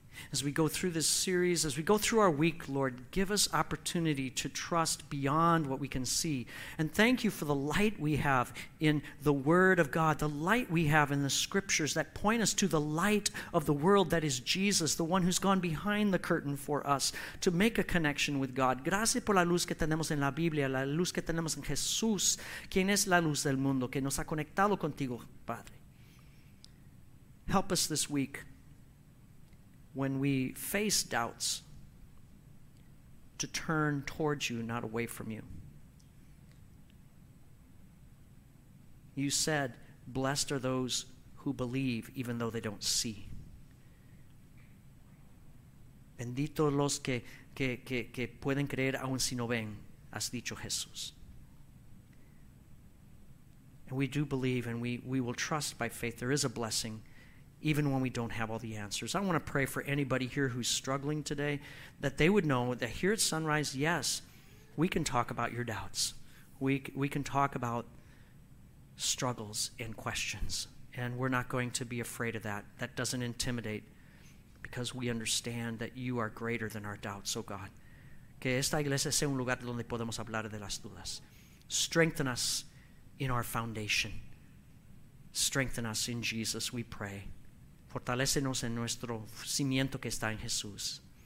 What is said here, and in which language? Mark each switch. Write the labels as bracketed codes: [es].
[en] As we go through this series, as we go through our week, Lord, give us opportunity to trust beyond what we can see. And thank you for the light we have in the Word of God, the light we have in the Scriptures that point us to the light of the world that is Jesus, the one who's gone behind the curtain for us to make a connection with God. [es] Gracias por la luz que tenemos en la Biblia, la luz que tenemos en Jesús, quien es la luz del mundo, que nos ha conectado contigo, Padre. [en] Help us this week, when we face doubts, to turn towards you, not away from you. You said, blessed are those who believe even though they don't see. [es] Bendito los que pueden creer aun si no ven, has dicho Jesús. [en] And we do believe, and we will trust by faith there is a blessing even when we don't have all the answers. I want to pray for anybody here who's struggling today, that they would know that here at Sunrise, yes, we can talk about your doubts. We can talk about struggles and questions, and we're not going to be afraid of that. That doesn't intimidate, because we understand that you are greater than our doubts, oh God. [es] Que esta iglesia sea un lugar donde podemos hablar de las dudas. [en] Strengthen us in our foundation. Strengthen us in Jesus, we pray. [es] Fortalécenos en nuestro cimiento que está en Jesús.